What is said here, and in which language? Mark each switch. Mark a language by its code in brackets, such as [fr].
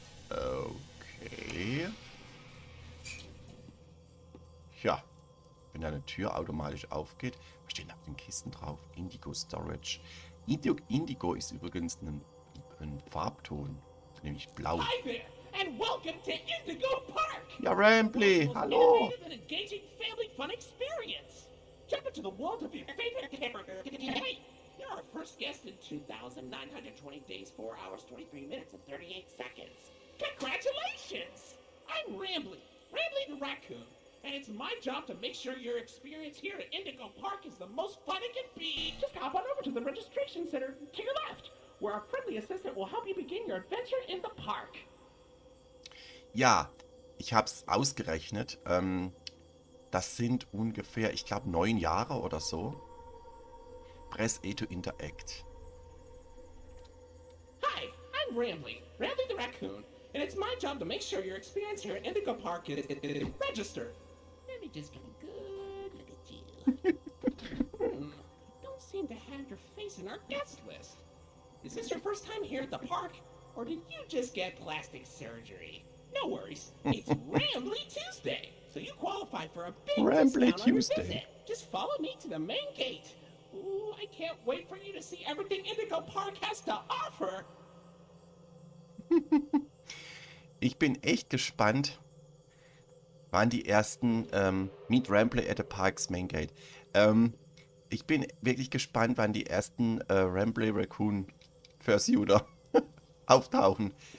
[de] Okay. Tja, wenn da eine Tür automatisch aufgeht. Was steht da mit den Kisten drauf? Indigo Storage. Indigo ist übrigens ein Farbton, nämlich blau. [en] Hi there and welcome to Indigo Park. [de] Ja, Rambly, hallo. [en] An engaging family fun experience. Jump into the world of your favorite character. Hey, you're our first guest in 2920 days, 4 hours, 23 minutes and 38 seconds. Congratulations. I'm Rambly, Rambly the Raccoon, and it's my job to make sure your experience here at Indigo Park is the most fun it can be. Just hop on over to the registration center to your left. Where our friendly assistant will help you begin your adventure in the park. [de] Ja, ich habe es ausgerechnet. Das sind ungefähr, ich glaube, 9 Jahre oder so. [en] Press A to interact. Hi, I'm Rambly, Rambly the Raccoon, and it's my job to make sure your experience here at Indigo Park is registered. Let me just get a good look at you. Don't seem to have your face in our guest list. Is this your first time here at the park, or did you just get plastic surgery? No worries, it's Rambly Tuesday, so you qualify for a big Rambly discount on your Tuesday. visit. Just follow me to the main gate. Ooh, I can't wait for you to see everything Indigo Park has to offer. [de] Ich bin echt gespannt, wann die ersten [en] Meet Rambly at the Parks Main Gate. [de] Ich bin wirklich gespannt, wann die ersten Rambly Raccoon Fursuiter auftauchen.